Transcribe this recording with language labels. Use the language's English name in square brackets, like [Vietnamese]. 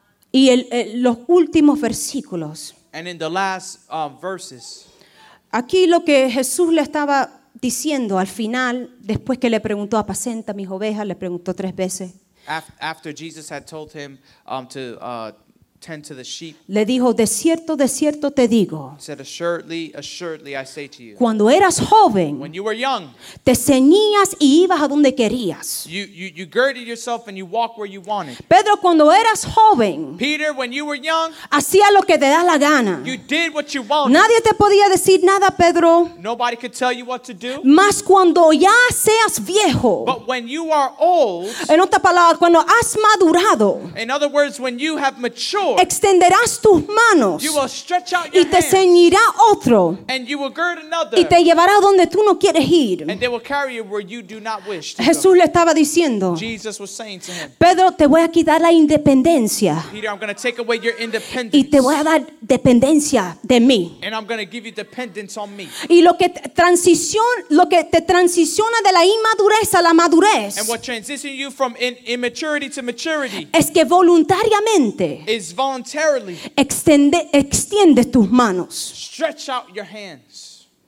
[Spanish] Y los últimos versículos. [English] And in the last verses. [Spanish] Aquí lo que Jesús le estaba diciendo al final, después que le preguntó, apacienta mis ovejas, le preguntó tres veces. [English] After Jesus had told him to tend to the sheep. [Spanish] Le dijo, de cierto te digo. [English] Said, assuredly, assuredly, I say to you. [Spanish] Cuando eras joven. [English] When you were young. [Spanish] Te ceñías y ibas a donde querías. [English] You girded yourself and you walked where you wanted. [Spanish] Pedro, cuando eras joven. [English] Peter, when you were young. [Spanish] Hacía lo que te da la gana. [English] You did what you wanted. [Spanish] Nadie te podía decir nada, Pedro. [English] Nobody could tell you what to do. [Spanish] Más cuando ya seas viejo. [English] But when you are old. [Spanish] En otra palabra, cuando has madurado. [English] In other words, when you have matured. [Spanish] Extenderás tus manos [English] you will stretch out your [Spanish] y te ceñirá otro [English] and you will gird another, [Spanish] y te llevará donde tú no quieres ir. [English] And they will carry you where you do not wish to [Spanish] Jesús Le estaba diciendo, [English] Jesus was saying to him, [Spanish] Pedro, te voy a quitar la independencia [English] Peter, I'm going to take away your independence, [Spanish] y te voy a dar dependencia de mí. [English] And I'm going to give you dependence on me. [Spanish] Y lo que te transiciona de la inmadurez a la madurez [English] and what transitions you from immaturity to maturity [Spanish] es que voluntariamente [English] voluntarily [Spanish] extiende tus manos. [English] Stretch out your hands.